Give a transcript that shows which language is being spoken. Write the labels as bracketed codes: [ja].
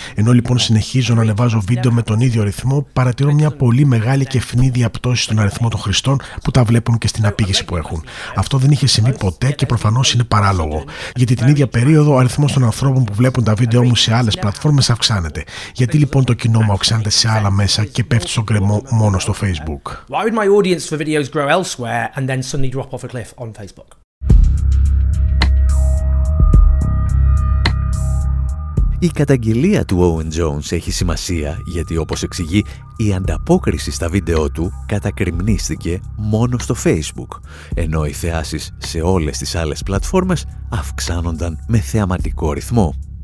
[el] Ενώ λοιπόν συνεχίζω να ανεβάζω βίντεο με τον ίδιο ρυθμό, παρατηρώ μια πολύ μεγάλη και φνίδια πτώση στον αριθμό των χρηστών που τα βλέπουν και στην απήγηση που έχουν. Αυτό δεν είχε συμβεί ποτέ και προφανώς είναι παράλογο. Γιατί την ίδια περίοδο ο αριθμός των ανθρώπων που βλέπουν τα βίντεό μου σε άλλες πλατφόρμες αυξάνεται. Γιατί λοιπόν το κοινό μου αυξάνεται σε άλλα μέσα και πέφτει στον κρεμό μόνο στο Facebook? [en] Why would my audience for videos grow elsewhere and then suddenly drop off a cliff on Facebook? [el] Η καταγγελία του Owen Jones έχει σημασία γιατί, όπως εξηγεί, η ανταπόκριση στα βίντεό του κατακριμνίστηκε μόνο στο Facebook, ενώ οι θεάσεις σε όλες τις άλλες πλατφόρμες αυξάνονταν με θεαματικό ρυθμό.